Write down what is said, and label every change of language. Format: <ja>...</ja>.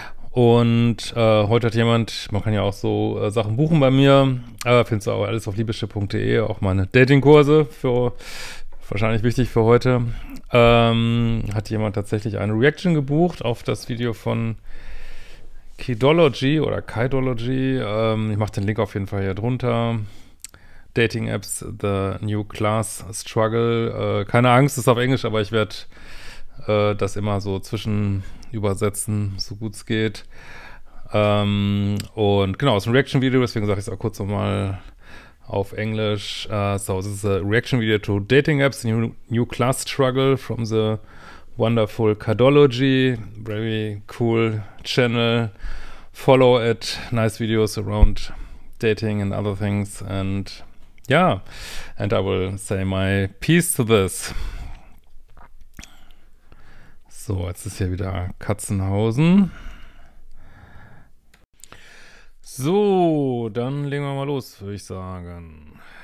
<de>Und heute hat jemand, man kann ja auch so Sachen buchen bei mir, findest du auch alles auf liebeschip.de, auch meine Datingkurse, für wahrscheinlich wichtig für heute, hat jemand tatsächlich eine Reaction gebucht auf das Video von Kidology. Ich mache den Link auf jeden Fall hier drunter. Dating Apps, The New Class Struggle. Keine Angst, ist auf Englisch, aber ich werde das immer so zwischen übersetzen, so gut es geht. Und genau, es ist ein Reaction-Video, deswegen sage ich es auch kurz nochmal auf Englisch. So, es ist</de> <en>a Reaction-Video to Dating Apps, The New Class Struggle from the wonderful Cardology. Very cool channel. Follow it. Nice videos around dating and other things. And yeah, and I will say my piece to this.</en> <de>So, jetzt ist hier wieder Katzenhausen. So, dann legen wir mal los, würde ich sagen.</de>